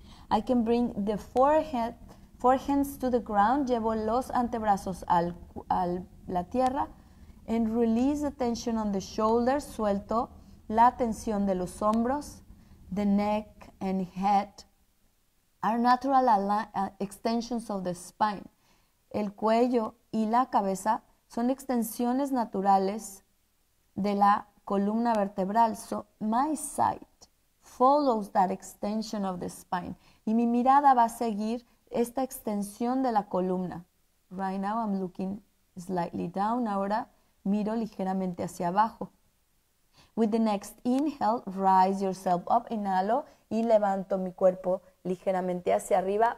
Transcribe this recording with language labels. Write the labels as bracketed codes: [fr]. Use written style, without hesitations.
[en] I can bring the four hands to the ground, [es] llevo los antebrazos al la tierra [en] and release the tension on the shoulders, [es] suelto la tensión de los hombros, [en] the neck and head are natural extensions of the spine. [es] El cuello y la cabeza son extensiones naturales de la columna vertebral. [en] So my sight follows that extension of the spine. [es] Y mi mirada va a seguir esta extensión de la columna. [en] Right now I'm looking slightly down. [es] Ahora miro ligeramente hacia abajo. [en] With the next inhale, rise yourself up. [es] Inhalo y levanto mi cuerpo ligeramente hacia arriba.